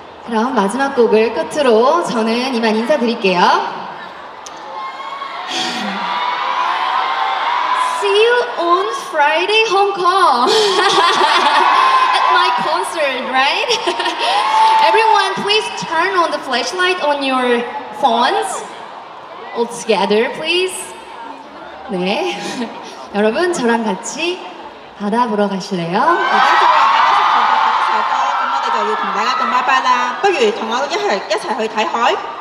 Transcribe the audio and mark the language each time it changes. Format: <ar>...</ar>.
<ko>그럼 마지막 곡을 끝으로 저는 이만 인사드릴게요.</ko> <en>See you on Friday, Hong Kong, at my concert, right? Everyone, please turn on the flashlight on your phones. All together, please.</en> <ko>네, 여러분 저랑 같이 바다 보러 가실래요?</ko> <yue>我们就要同大家讲拜拜啦，不如同我一起去睇海。</yue>